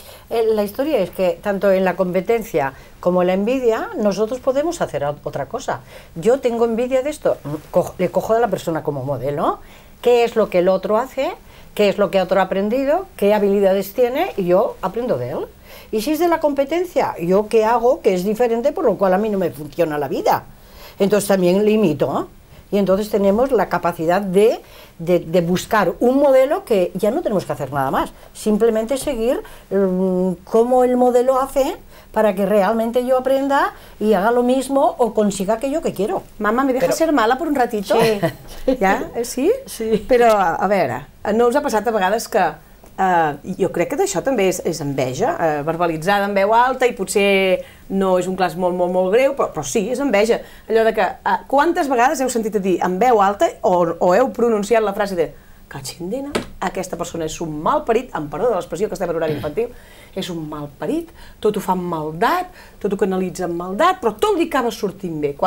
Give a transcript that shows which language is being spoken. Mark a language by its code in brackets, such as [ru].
[ca] La història és que tant en la competència com en l'envidia, nosaltres podem fer altra cosa. Jo tinc envidia d'això, li cojo de la persona com a model, què és el que l'altre fa, què és el que l'altre ha aprendit, què habilitats té i jo aprendo d'ell. [es] Y si es de la competencia, ¿yo qué hago que es diferente por lo cual a mí no me funciona la vida? Entonces también limito, ¿no? Y entonces tenemos la capacidad de buscar un modelo que ya no tenemos que hacer nada más. Simplemente seguir cómo el modelo hace para que realmente yo aprenda y haga lo mismo o consiga aquello que quiero. Mamá, ¿me dejas ser mala por un ratito? Sí. ¿Ya? ¿Sí? Sí. Pero a ver, ¿no os ha pasado a veces que... [ca] jo crec que d'això també és enveja, verbalitzada en veu alta i potser no és un clas molt, molt, molt greu, però sí, és enveja. Allò de que quantes vegades heu sentit a dir en veu alta o heu pronunciat la frase de «Cachindina, aquesta persona és un malparit», amb perdó de l'expressió que estem en horari infantil, és un malparit, tot ho fa amb maldat, tot ho canalitza amb maldat, però tot li acaba sortint bé.